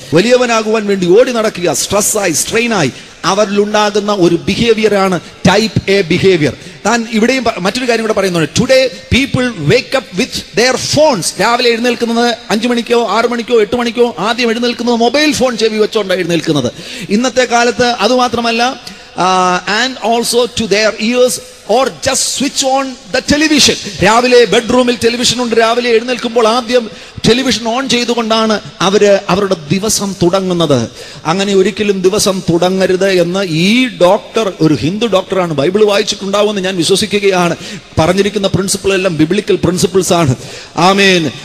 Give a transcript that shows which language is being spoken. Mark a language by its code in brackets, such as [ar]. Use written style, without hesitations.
[ml] വലിയവനാകുവാൻ വേണ്ടി ഓടി നടക്കുക സ്ട്രെസ്സായി സ്ട്രെയിനായി, അവരിലുണ്ടാകുന്ന ഒരു ബിഹേവിയറാണ് ടൈപ്പ് എ ബിഹേവിയർ. താൻ ഇവിടെയും മറ്റൊരു കാര്യം കൂടെ പറയുന്നുണ്ട്, [en] Today people wake up with their phones. [ml] രാവിലെ എഴുന്നേൽക്കുന്നത് 5 മണിക്കോ 6 മണിക്കോ 8 മണിക്കോ ആദ്യം എഴുന്നേൽക്കുന്നത് മൊബൈൽ ഫോൺ ചെവി വെച്ചോണ്ട് എഴുന്നേൽക്കുന്നത്. ഇന്നത്തെ കാലത്ത് അതുമാത്രമല്ല [en] and also to their ears or just switch on the television. [ml] രാവിലെ ബെഡ്റൂമിൽ ടെലിവിഷൻ ഉണ്ട്, രാവിലെ എഴുന്നേൽക്കുമ്പോൾ ആദ്യം ടെലിവിഷൻ ഓൺ ചെയ്തുകൊണ്ടാണ് അവര് അവരുടെ ദിവസം തുടങ്ങുന്നത്. അങ്ങനെ ഒരിക്കലും ദിവസം തുടങ്ങരുത് എന്ന് ഈ ഡോക്ടർ, ഒരു ഹിന്ദു ഡോക്ടറാണ്, ബൈബിൾ വായിച്ചിട്ടുണ്ടാവുമെന്ന് ഞാൻ വിശ്വസിക്കുകയാണ്. പറഞ്ഞിരിക്കുന്ന പ്രിൻസിപ്പിൾ എല്ലാം ബിബ്ലിക്കൽ പ്രിൻസിപ്പിൾസ് ആണ്. ആമേൻ.